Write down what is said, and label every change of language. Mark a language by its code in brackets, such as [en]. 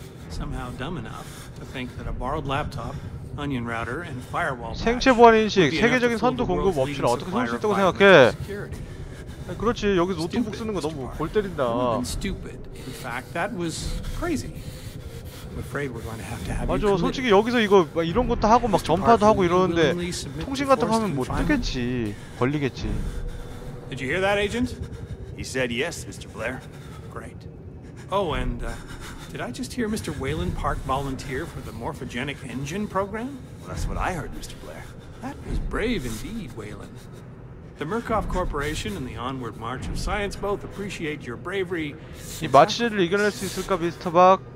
[en] somehow dumb enough to think that a borrowed laptop, onion router, and firewall patch [ko] 생체 보안 인식, 세계적인 선도 공급 업체를 어떻게 손쓸 있다고 생각해? 그렇지, 여기 노트북 쓰는 거 너무 골 때린다. [en] Stupid. In fact, that was crazy. I'm afraid we're going to have [ko] 맞아, 솔직히 여기서 이거 막 이런 것도 하고 막 전파도 하고 이러는데 통신 같은 거 하면 뭐 뜨겠지, 걸리겠지. [en] Did you hear that, agent? He said yes, Mr. Blair. Great. Oh, and did I just hear Mr. Whalen Park volunteer for the morphogenic engine program? Well, that's what I heard, Mr. Blair. That was brave indeed, Whalen. The Murkoff Corporation and the Onward March of Science both appreciate your bravery. [ko] 이 마취제를 이겨낼 수 있을까, 미스터 박?